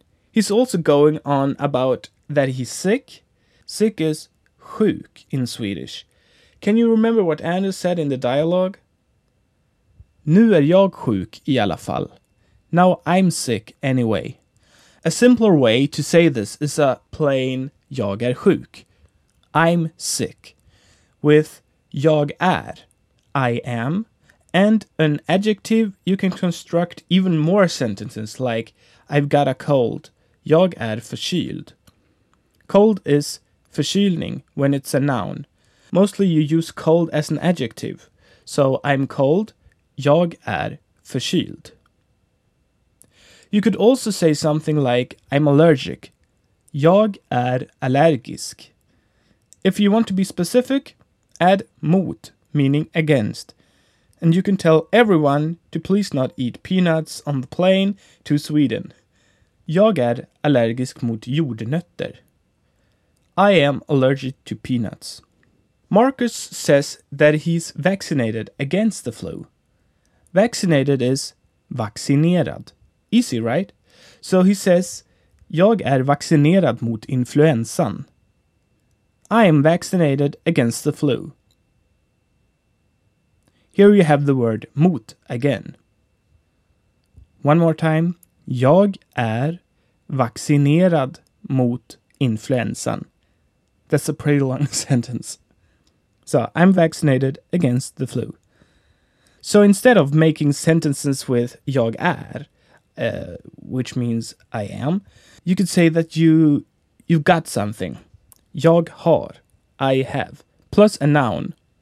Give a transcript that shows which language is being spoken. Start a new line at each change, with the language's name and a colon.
English: He's also going on about that he's sick. Sick is sjuk in Swedish. Can you remember what Anders said in the dialogue?
Swedish: Nu är jag sjuk i alla fall.
English: Now I'm sick anyway. A simpler way to say this is a plain
Swedish: jag är sjuk.
English: I'm sick. With
Swedish: jag är,
English: I am, and an adjective, you can construct even more sentences like I've got a cold.
Swedish: Jag är förkyld.
English: Cold is förkylning when it's a noun. Mostly you use cold as an adjective. So I'm cold.
Swedish: Jag är förkyld.
English: You could also say something like I'm allergic.
Swedish: Jag är allergisk.
English: If you want to be specific, add mot, meaning against. And you can tell everyone to please not eat peanuts on the plane to Sweden.
Swedish: Jag är allergisk mot jordnötter.
English: I am allergic to peanuts. Marcus says that he's vaccinated against the flu. Vaccinated is vaccinerad. Easy, right? So he says,
Swedish: jag är vaccinerad mot influensan.
English: I am vaccinated against the flu. Here you have the word mot again. One more time.
Swedish: Jag är vaccinerad mot influensan.
English: That's a pretty long sentence. So, I'm vaccinated against the flu. So instead of making sentences with
Swedish: jag är,
English: which means I am, you could say that you got something.
Swedish: Jag har,
English: I have, plus a noun.